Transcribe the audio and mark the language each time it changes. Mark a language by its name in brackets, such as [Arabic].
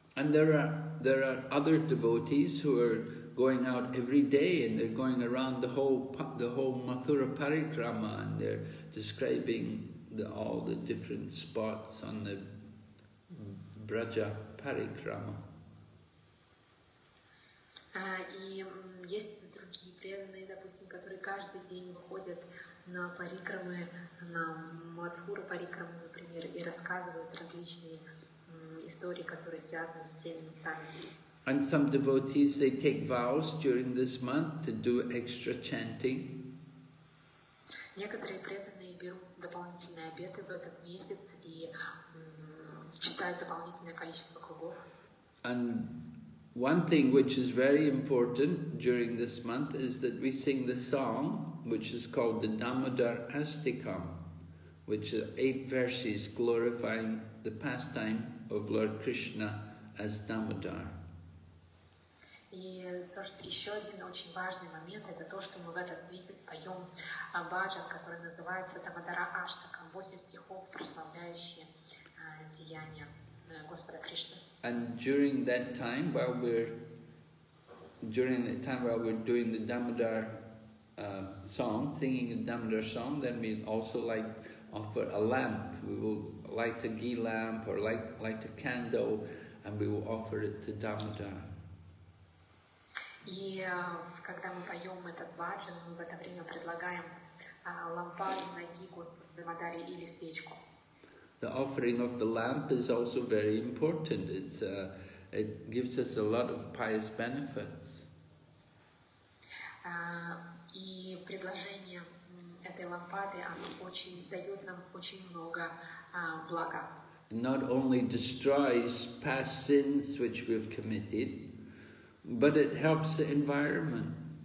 [English] And there are other devotees who are going out every day, and they're going around the whole Mathura Parikrama, and they're describing all the different spots on the Braja Parikrama. [Russian] И есть другие преданные, допустим, которые каждый день выходят на парикрамы, на Мадхура парикраму, например, и рассказывают различные истории, которые связаны с теми местами. [English] And some devotees, they take vows during this month to do extra chanting. [Russian] Некоторые преданные берут дополнительные обеты в этот месяц и читают дополнительное количество кругов. [English] And one thing which is very important during this month is that we sing the song which is called the Damodar Astikam, which are 8 verses glorifying the pastime of Lord Krishna as Damodar. [Russian] И то, что еще один очень важный момент, это то, что мы в этот месяц поем баджан, который называется Дамодара Аштакам, 8 стихов, прославляющие деяния Господа Кришны. [English] And during that time, while we're doing the Damodar song, singing the Damodar song, then we also like offer a lamp. We will light a ghee lamp or light a candle, and we will offer it to Damodar. [Russian] И когда мы поем этот баджан, мы в это время предлагаем лампаду, найди Господа Дамодаре или свечку. [English] The offering of the lamp is also very important. It gives us a lot of pious benefits. [Russian] И предложение этой лампады, оно очень дает нам очень много блага. [English] Not only destroys past sins which we've committed, but it helps the environment.